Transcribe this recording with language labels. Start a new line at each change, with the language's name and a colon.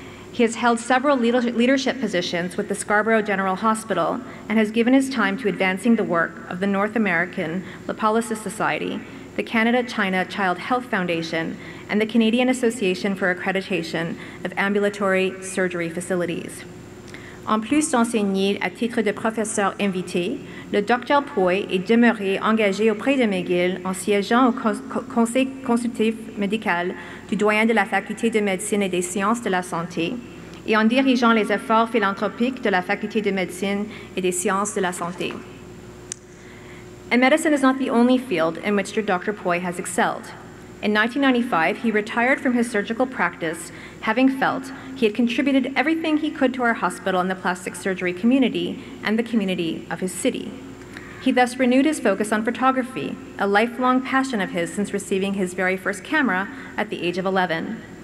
English: He has held several leadership positions with the Scarborough General Hospital and has given his time to advancing the work of the North American Lipolysis Society, the Canada-China Child Health Foundation, and the Canadian Association for Accreditation of Ambulatory Surgery Facilities.
French: En plus d'enseigner à titre de professeur invité, le Dr. Poy est demeuré engagé auprès de McGill en siégeant au conseil consultatif médical du doyen de la Faculté de médecine et des sciences de la santé et en dirigeant les efforts philanthropiques de la Faculté de médecine et des sciences de la santé.
English: And medicine is not the only field in which Dr. Poy has excelled. In 1995, he retired from his surgical practice, having felt he had contributed everything he could to our hospital and the plastic surgery community and the community of his city. He thus renewed his focus on photography, a lifelong passion of his since receiving his very first camera at the age of 11.